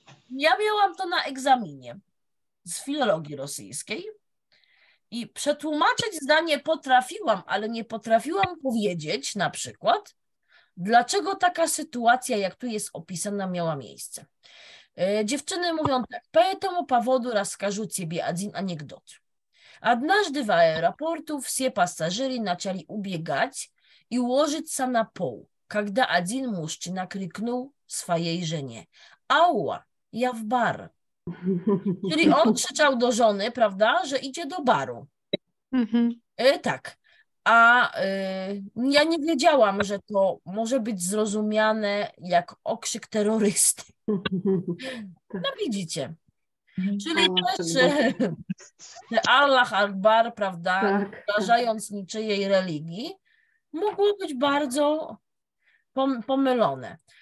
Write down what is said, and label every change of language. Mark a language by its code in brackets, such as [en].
[pl] Ja miałam to na egzaminie z filologii rosyjskiej i przetłumaczyć zdanie potrafiłam, ale nie potrafiłam powiedzieć na przykład, dlaczego taka sytuacja, jak tu jest opisana, miała miejsce? Dziewczyny mówią tak, po tomu powodu rozkażę ciebie jeden anegdot. [ru] Однажды в аэропорту все пассажиры начали убегать и ложиться на пол, когда один мужчина крикнул своей жене, ауа, я в бар. [pl] Czyli on krzyczał do żony, prawda, że idzie do baru. Tak. A ja nie wiedziałam, że to może być zrozumiane jak okrzyk terrorysty. No widzicie. Czyli też Allah Akbar, prawda, wyrażając niczyjej religii, mogło być bardzo pomylone.